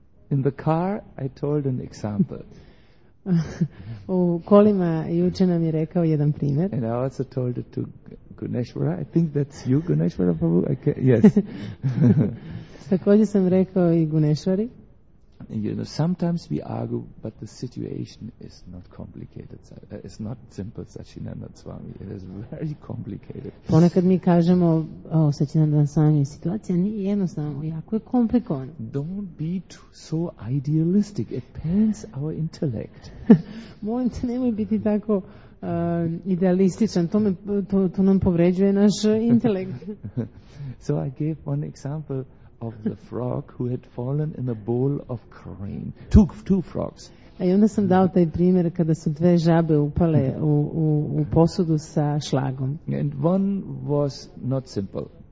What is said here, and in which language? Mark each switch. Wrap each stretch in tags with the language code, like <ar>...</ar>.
<en>In the car, I told an example.</en> <sr>U kolima juče nam je rekao jedan primjer.</sr> <en>And I also told it to Guneshwara. I think that's you, Guneshwara Prabhu. Yes.</en> <sr>Također sam rekao i Guneshwari.</sr> <en>You know, sometimes we argue, but the situation is not complicated. It's not simple, Sachinanda Swami. It is very complicated.</en> <sr>Ponekad mi kažemo, oh, Sachinanda Swami, situacija nije jednostavna, jako je komplikovana.</sr> <en>Don't be so idealistic. It pains our intellect.</en> <sr>Molim te, nemoj biti tako idealističan. To nam povređuje naš intelekt.</sr> <en>So I gave one example of the frog who had fallen in a bowl of cream. Two frogs.</en> <sr>A i onda sam dao taj primjer kada su dve žabe upale u posudu sa šlagom.</sr> <en>And one was not simple.</en>